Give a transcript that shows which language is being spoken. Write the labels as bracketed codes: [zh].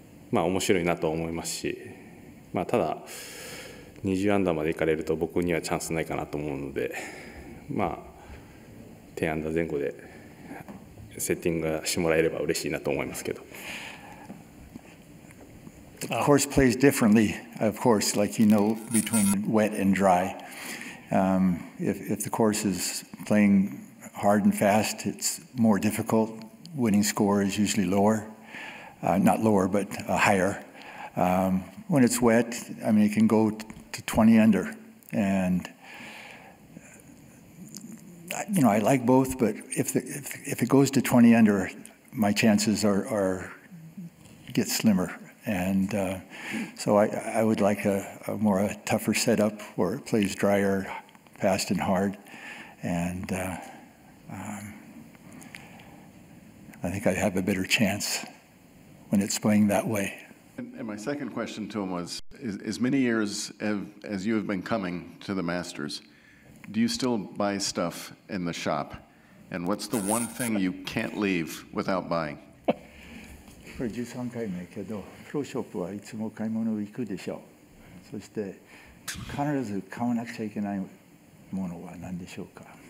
[ja] まあ、面白いなと思いますし、まあ、ただ20アンダーまで行かれると僕にはチャンスないかなと思うので、まあ、10アンダー前後でセッティングしてもらえれば嬉しいなと思いますけど。 [en] Of course plays differently, of course, like you know, between wet and dry. If the course is playing hard and fast, it's more difficult. Winning score is usually lower, not lower, but higher. When it's wet, I mean, it can go to 20 under. And, you know, I like both, but if it goes to 20 under, my chances are get slimmer. And so I would like a tougher setup where it plays drier, fast and hard. And I think I'd have a better chance when it's playing that way. And my second question to him was, as many years as you have been coming to the Masters, do you still buy stuff in the shop? And what's the one thing you can't leave without buying? [ja] これ13回目けど、プロショップはいつも買い物行くでしょう。そして必ず買わなくちゃいけないものは何でしょうか。